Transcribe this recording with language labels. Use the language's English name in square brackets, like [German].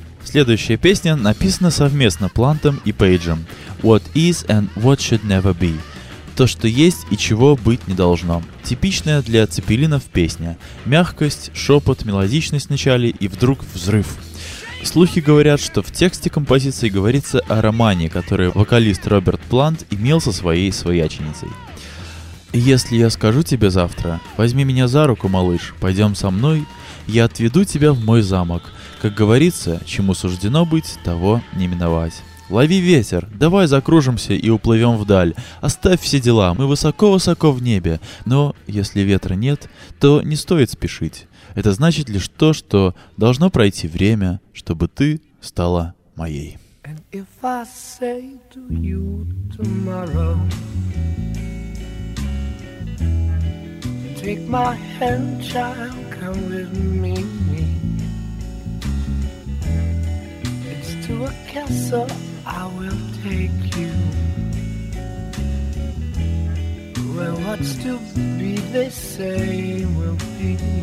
[Russian] Следующая песня написана совместно Плантом и Пейджем. [English] What is and what should never be. [Russian] То, что есть и чего быть не должно. Типичная для Цепелинов песня. Мягкость, шепот, мелодичность в начале и вдруг взрыв. Слухи говорят, что в тексте композиции говорится о романе, который вокалист Роберт Плант имел со своей свояченицей. «Если я скажу тебе завтра, возьми меня за руку, малыш, пойдем со мной, я отведу тебя в мой замок». Как говорится, чему суждено быть, того не миновать. Лови ветер, давай закружимся и уплывем вдаль. Оставь все дела, мы высоко-высоко в небе. Но если ветра нет, то не стоит спешить. Это значит лишь то, что должно пройти время, чтобы ты стала моей. [English] And if I say to you tomorrow, take my hand, child, come with me. To a castle I will take you, where what's to be they say will be.